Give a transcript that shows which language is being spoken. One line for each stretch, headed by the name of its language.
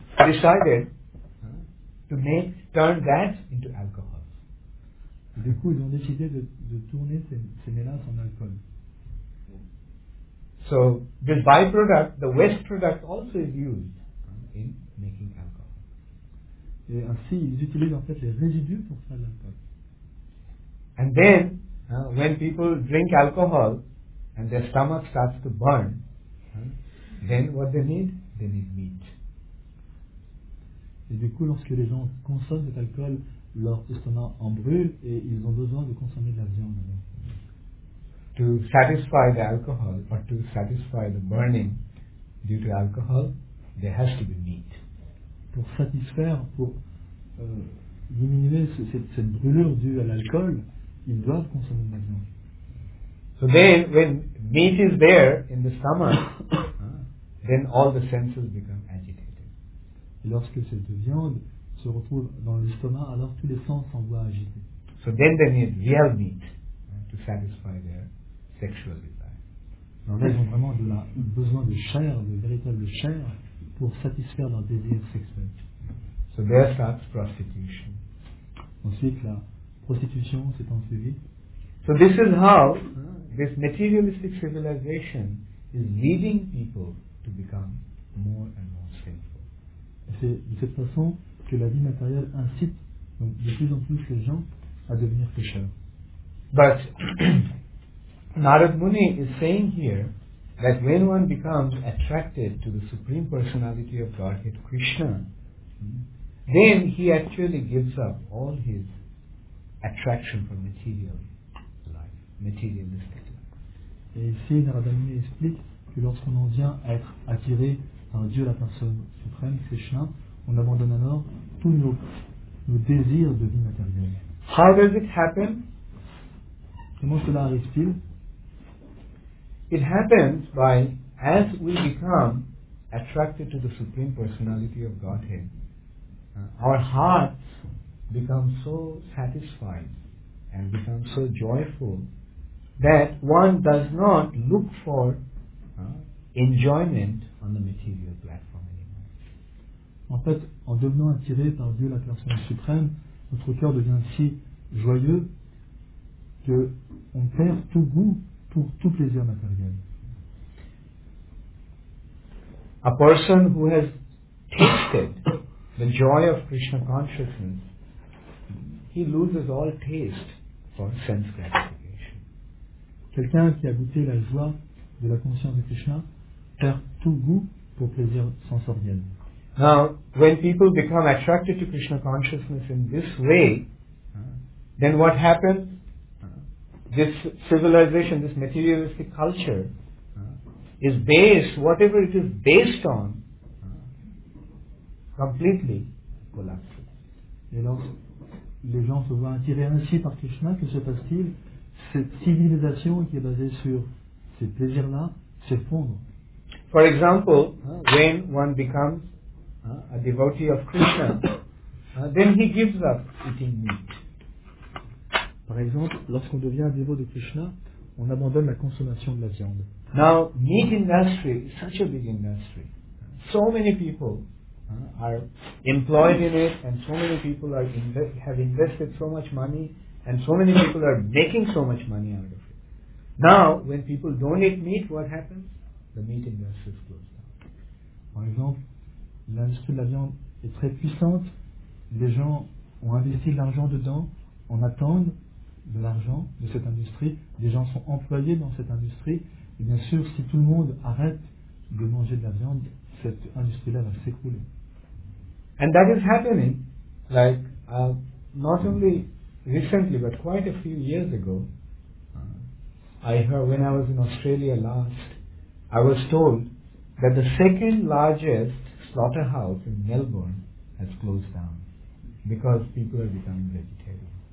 English: decided to make turn that into alcohol.
French: Du coup, ils ont décidé de tourner ces mélasses en alcool.
English: So this byproduct, the waste product, also is used in making alcohol.
French: Et ainsi, ils utilisent en fait les résidus pour faire l'alcool.
English: And then, when people drink alcohol and their stomach starts to burn, then what they need meat.
French: Et du coup, lorsque les gens consomment de l'alcool, leur estomac en brûle et ils ont besoin de consommer de la viande.
English: To satisfy the alcohol or to satisfy the burning due to alcohol, there has to be meat.
French: Pour satisfaire, pour diminuer cette brûlure due à l'alcool, ils doivent consommer de la viande.
English: So then, when meat is there in the stomach, then all the senses become agitated.
French: Et lorsque cette viande se retrouve dans l'estomac, alors tous les sens s'en voient agités.
English: So then they need real meat to satisfy their sexual desire.
French: Alors là, ils ont vraiment besoin de chair, de véritable chair, pour satisfaire leur désir sexuel.
English: So there starts prostitution.
French: Ensuite, la prostitution s'est ensuivie.
English: So this is how this materialistic civilization is leading people to become more and more sinful.
French: C'est de cette façon que la vie matérielle incite donc de plus en plus les gens à devenir pécheurs.
English: But Narad Muni is saying here that when one becomes attracted to the Supreme Personality of Godhead Krishna, then he actually gives up all his attraction for material life, materialistic.
French: Et ici, Narada Muni explique que lorsqu'on en vient à être attiré par Dieu, la personne suprême, Krishna, on abandonne alors tous nos désirs de vie matérielle.
English: How does it happen?
French: Comment cela arrive-t-il?
English: It happens by, as we become attracted to the Supreme Personality of Godhead, our hearts become so satisfied and become so joyful that one does not look for enjoyment on the material platform anymore.
French: En fait, en devenant attiré par Dieu, la personne suprême, notre cœur devient si joyeux que on perd tout goût pour tout plaisir matériel.
English: A person who has tasted the joy of Krishna consciousness, he loses all taste for sense gratification.
French: Quelqu'un qui a goûté la joie de la conscience de Krishna perd tout goût pour plaisir sensoriel.
English: Now, when people become attracted to Krishna consciousness in this way, then what happens? This civilization, this materialistic culture, is based, whatever it is based on, completely collapses.
French: Et lorsque les gens se voient attirés ainsi par Krishna, que se passe-t-il? Cette civilisation qui est basée sur ces plaisirs-là s'effondre.
English: For example, when one becomes a devotee of Krishna, then he gives up eating meat.
French: Par exemple, lorsqu'on devient un dévot de Krishna, on abandonne la consommation de la viande.
English: Now, meat industry is such a big industry. So many people are employed in it, and so many people have invested so much money. And so many people are making so much money out of it. Now, when people don't eat meat, what happens? The meat industry is closed down.
French: Par exemple, l'industrie de la viande est très puissante. Les gens ont investi de l'argent dedans. On attend de l'argent de cette industrie. Les gens sont employés dans cette industrie. Et bien sûr, si tout le monde arrête de manger de la viande, cette industrie-là va s'écrouler.
English: And that is happening, like, not only recently, but quite a few years ago, I heard, when I was in Australia last, I was told that the second largest slaughterhouse in Melbourne has closed down because people are becoming vegetarian.